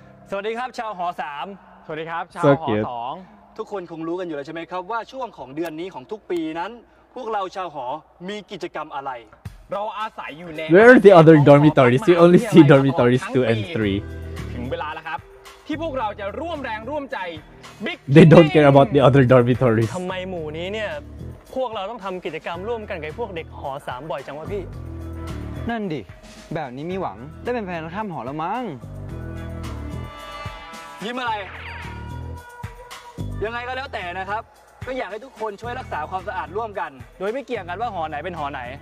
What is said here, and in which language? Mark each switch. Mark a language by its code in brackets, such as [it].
[th] สวัสดีครับชาวหอ3สวัสดีครับชาวหอ2ทุกคนคงรู้กันอยู่แล้วใช่ไหมครับว่าช่วงของเดือนนี้ของทุกปีนั้นพวกเราชาวหอมีกิจกรรมอะไรเราอาศัยอยู่ใน [en] Where are the other dormitories? We only see dormitories 2 and 3. [th] ถึงเวลาแล้วครับที่พวกเราจะร่วมแรงร่วมใจ [en] Big They don't care about the other dormitories. [th] ทำไมหมู่นี้เนี่ยพวกเราต้องทำกิจกรรมร่วมกันกับพวกเด็กหอ3บ่อยจังวะพี่นั่นดิแบบนี้มีหวังได้เป็นแฟนข้ามหอแล้วมั้ง ยิ้มอะไรยังไงก็แล้วแต่นะครับก็อยากให้ทุกคนช่วยรักษาความสะอาดร่วมกันโดยไม่เกี่ยงกันว่าหอไหนเป็นหอไหน